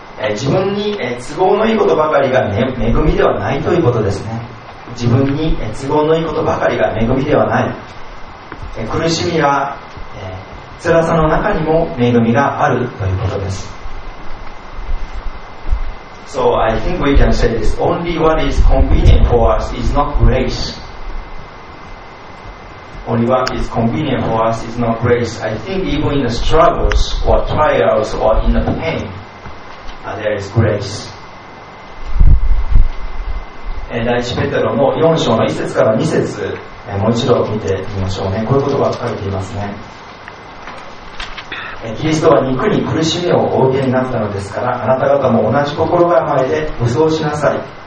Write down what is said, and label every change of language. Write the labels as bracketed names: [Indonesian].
[Japanese] 自分に、都合のいいことばかりが、ね、恵みではないということですね。自分に都合のいいことばかりが恵みではない。苦しみや辛さの中にも恵みがあるということです。 [English] So I think we can say this. Only what is convenient for us is not grace. Only what is convenient for us is not grace. I think even in the struggles or trials or in the pain, there is grace. [Japanese] 第一ペテロの4章の1節から2節、もう一度見てみましょうね。こういう言葉が書かれていますね。キリストは肉に苦しみをお受けになったのですから、あなた方も同じ心構えで武装しなさい。